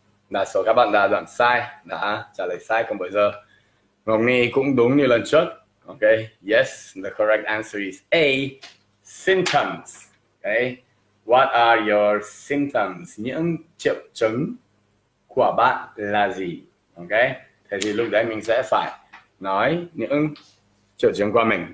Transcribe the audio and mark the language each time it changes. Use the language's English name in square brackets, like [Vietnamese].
[Vietnamese] Đa số các bạn đã đoán sai, đã trả lời sai, còn bây giờ Ngọc Nhi cũng đúng như lần trước. [English] Ok, yes, the correct answer is A, symptoms. Ok, What are your symptoms? [Vietnamese] Những triệu chứng của bạn là gì? Ok, thế thì lúc đấy mình sẽ phải nói những triệu chứng của mình.